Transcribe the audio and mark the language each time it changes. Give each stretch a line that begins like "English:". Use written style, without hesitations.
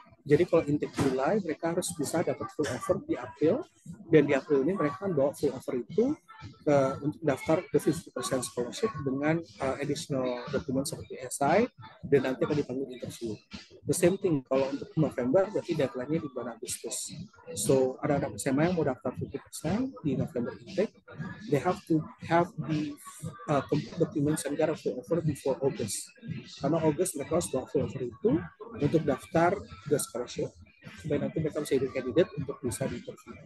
Indonesian: Jadi kalau intake mulai, mereka harus bisa dapat full offer di April, dan di April ini mereka bawa full offer itu untuk daftar ke 50% scholarship dengan additional dokumen seperti SI, dan nanti akan dipanggil interview.
English: The same thing
Indonesian: kalau untuk November, berarti deadline-nya di bulan Agustus.
English: So,
Indonesian: ada anak SMA yang mau daftar 50% di November intake,
English: they have to have the complete documents and get a full offer before August.
Indonesian: Karena August mereka harus bawa full offer itu untuk daftar ke scholarship, supaya nanti mereka bisa jadi candidate untuk bisa diinterview.